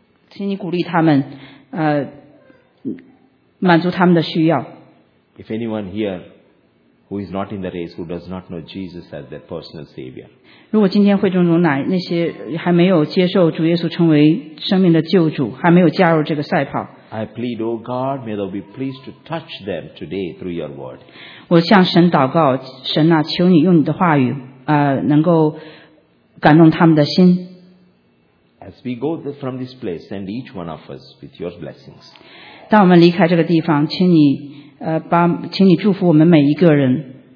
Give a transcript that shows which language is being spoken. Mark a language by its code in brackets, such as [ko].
[zh] 请你鼓励他们，满足他们的需要。 [en] If anyone here. Who is not in the race? Who does not know Jesus as their personal Savior? [zh] 如果今天会众中那些还没有接受主耶稣成为生命的救主，还没有加入这个赛跑 [en] ，I plead, O God, may Thou be pleased to touch them today through Your Word. [zh] 我向神祷告，神啊，求你用你的话语，能够感动他们的心。 [en] As we go from this place, send each one of us with Your blessings. [zh] 当我们离开这个地方，请你。请你祝福我们每一个人。